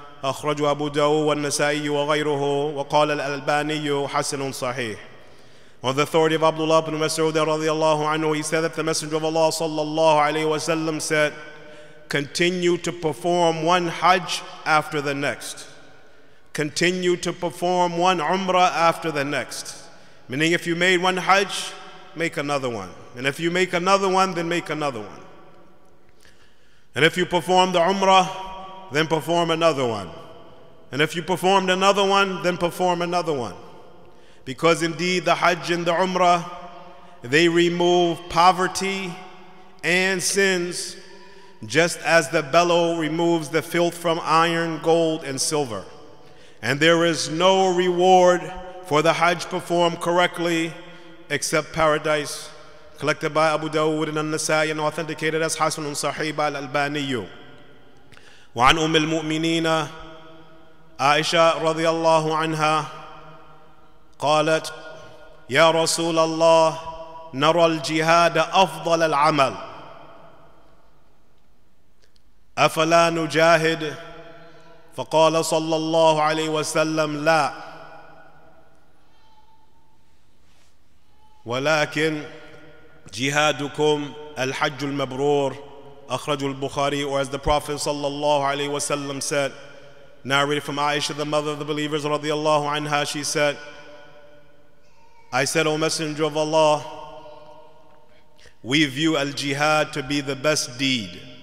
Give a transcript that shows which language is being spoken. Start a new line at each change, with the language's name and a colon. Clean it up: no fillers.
Arabic: أخرجه أبو داود والنسائي وغيره. وقال الألباني حسن صحيح.
English: On the authority of Abdullah ibn Mas'ud radiallahu anhu, he said that the Messenger of Allah sallallahu alayhi wa sallam said, continue to perform one Hajj after the next. Continue to perform one Umrah after the next. Meaning if you made one Hajj, make another one. And if you make another one, then make another one. And if you perform the Umrah, then perform another one. And if you performed another one, then perform another one. Because indeed the Hajj and the Umrah, they remove poverty and sins just as the bellow removes the filth from iron, gold, and silver. And there is no reward for the Hajj performed correctly except paradise. Collected by Abu Dawud and An-Nasa'i and authenticated as Hasan Sahih by Al-Albani.
Arabic: وعن أم المؤمنين عائشة رضي الله عنها قالت يا رسول الله نرى الجهاد أفضل العمل أفلا نجاهد فقال صلى الله عليه وسلم لا ولكن جهادكم الحج المبرور أخرج البخاري.
English: Or as the Prophet sallallahu alayhi wa sallam said, narrated from Aisha, the mother of the believers radiallahu anha, she said, I said, O Messenger of Allah, we view al-jihad to be the best deed.